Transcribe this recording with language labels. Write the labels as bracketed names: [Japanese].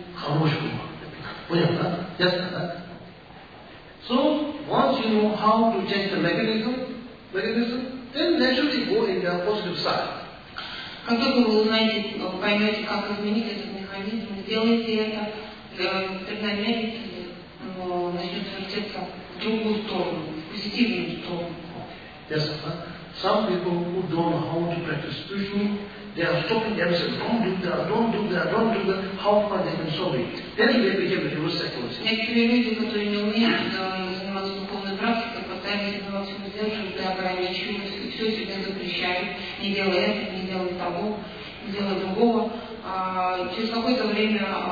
[Russian] Хороший ум. Понятно, да? Ясно, да? [English] So, once you know how to change the mechanism, then naturally go in the positive side. [Russian] Как только вы узнаете, поймете, как изменить этот механизм, сделайте это, преднамеренно начнет вертеться в другую сторону, в позитивную сторону. Ясно, да? [English] Some people who don't know how to practice spiritually, they are stopping themselves. Don't do that. How far they can solve it? Then they behave in reverse psychology. [Russian] Некоторые люди, которые не умеют заниматься духовной практикой, постоянно заниматься удерживанием, ограничиваются, все себе запрещают, не делая этого, не делая того, не делая другого. Через какое-то время